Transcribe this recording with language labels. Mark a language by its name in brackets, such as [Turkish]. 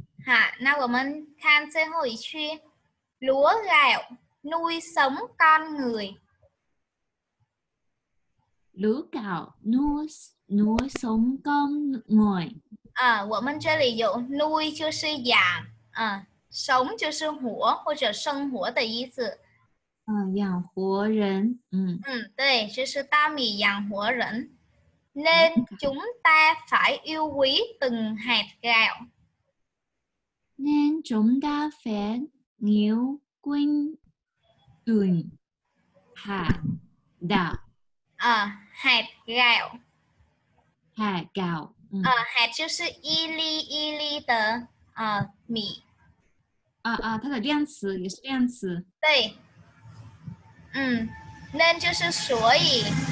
[Chinese] 好，那我们看最后一句 [Vietnamese] lúa gạo nuôi sống con người， lúa gạo nuôi sống con người， [Chinese] 我们这里有nuôi就是养，sống就是活或者生活的意思，养活人，对，就是大米养活人。 [Vietnamese] nên chúng ta phải yêu quý từng hạt gạo。 nên chúng ta phải yêu quý từng hạt gạo。 hạt gạo。 hạt gạo。 [Chinese] hạt 就是一粒一粒的米。它的量词也是量词。对。nên 就是所以，